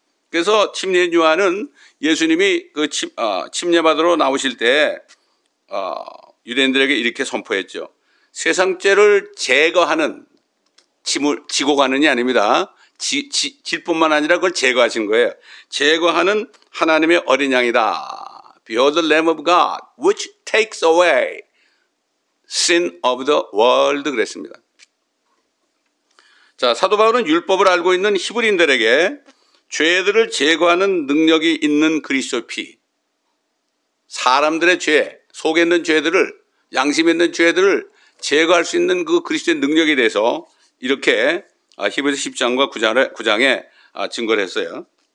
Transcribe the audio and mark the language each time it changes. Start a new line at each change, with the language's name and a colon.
Korean: 그래서 침례인 요한은 예수님이 그 침례받으러 나오실 때 유대인들에게 이렇게 선포했죠. 세상 죄를 제거하는 짐을 지고 가느냐 아닙니다. 질 뿐만 아니라 그걸 제거하신 거예요. 제거하는 하나님의 어린 양이다.
English: Behold the Lamb of God, which takes away sin of the world.
Korean: 그랬습니다. 자, 사도 바울은 율법을 알고 있는 히브리인들에게 죄들을 제거하는 능력이 있는 그리스도의 피, 사람들의 죄, 속에 있는 죄들을, 양심 있는 죄들을 제거할 수 있는 그 그리스도의 능력에 대해서 이렇게 히브리서 10장과 9장에 증거를 했어요.